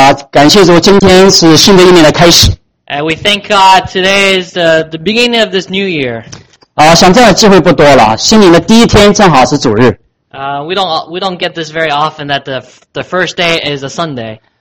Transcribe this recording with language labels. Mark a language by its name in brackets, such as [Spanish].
[Chinese] 感谢主，今天是新的一年的开始。 [English] And we thank God today is the beginning of this new year. [Chinese] 想这样的机会不多了，新年的第一天正好是主日。 [English] We don't get this very often that the first day is a Sunday.